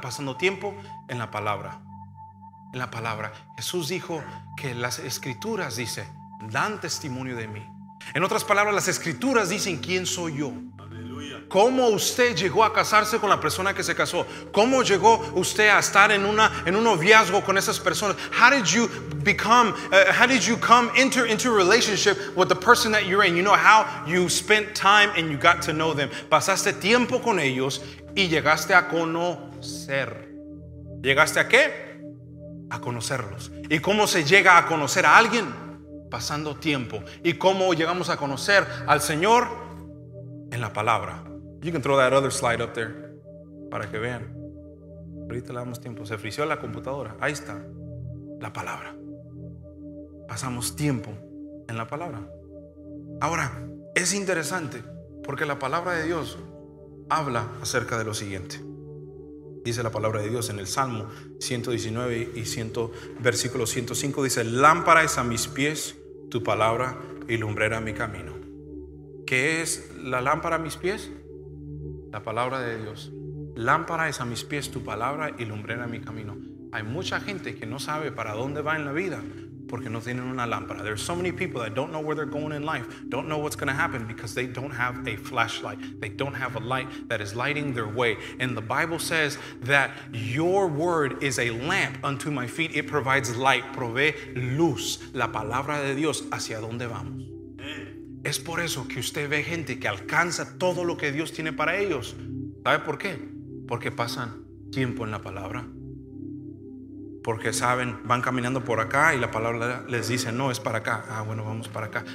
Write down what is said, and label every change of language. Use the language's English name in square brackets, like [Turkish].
[Spanish] Pasando tiempo en la palabra. En la palabra. Jesús dijo que las Escrituras, dice, dan testimonio de mí. En otras palabras, las Escrituras dicen quién soy yo. Aleluya. ¿Cómo usted llegó a casarse con la persona que se casó? ¿Cómo llegó usted a estar en un noviazgo con esas personas? [English] How did you enter into a relationship with the person that you're in? You know how you spent time and you got to know them. [Spanish] Pasaste tiempo con ellos y llegaste a conocer. ¿Llegaste a qué? A conocerlos. ¿Y cómo se llega a conocer a alguien? Pasando tiempo. ¿Y cómo llegamos a conocer al Señor? En la palabra. [English] You can throw that other slide up there [Spanish] para que vean. Ahorita le damos tiempo. Se frició la computadora. Ahí está. La palabra. Pasamos tiempo en la palabra. Ahora, es interesante porque la palabra de Dios habla acerca de lo siguiente. Dice la palabra de Dios en el Salmo 119 y 100, versículo 105. Dice, lámpara es a mis pies tu palabra y lumbrera mi camino. ¿Qué es la lámpara a mis pies? La palabra de Dios. Lámpara es a mis pies tu palabra y lumbrera mi camino. Hay mucha gente que no sabe para dónde va en la vida porque no tienen una lámpara. [English] There are so many people that don't know where they're going in life, don't know what's going to happen because they don't have a flashlight. They don't have a light that is lighting their way. And the Bible says that your word is a lamp unto my feet. It provides light, [Spanish] provee luz, la palabra de Dios hacia donde vamos. Es por eso que usted ve gente que alcanza todo lo que Dios tiene para ellos. ¿Sabe por qué? Porque pasan tiempo en la palabra. Porque saben, van caminando por acá y la palabra les dice, no, es para acá. Ah, bueno, vamos para acá.